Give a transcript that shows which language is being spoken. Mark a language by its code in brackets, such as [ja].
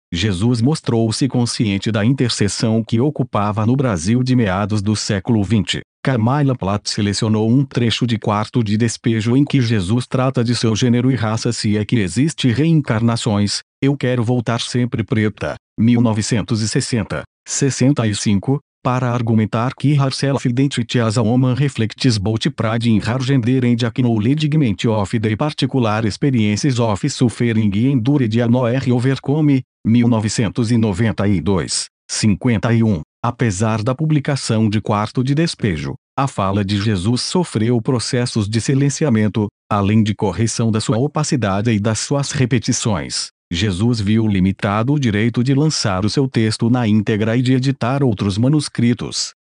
[pt] Jesus mostrou-se consciente da interseção que ocupava no Brasil de meados do século XX. Carmila Platt selecionou um trecho de Quarto de Despejo em que Jesus trata de seu gênero e raça, se é que existe reencarnações. Eu quero voltar sempre preta. 1960. 65. Para argumentar que [en] her self identity as a woman reflects both pride in her gender and acknowledgement of the particular experiences of suffering and endured and are overcome. [pt] 1992. 51. Apesar da publicação de Quarto de Despejo, a fala de Jesus sofreu processos de silenciamento, além de correção da sua opacidade e das suas repetições. Jesus viu limitado o direito de lançar o seu texto na íntegra e de editar outros manuscritos.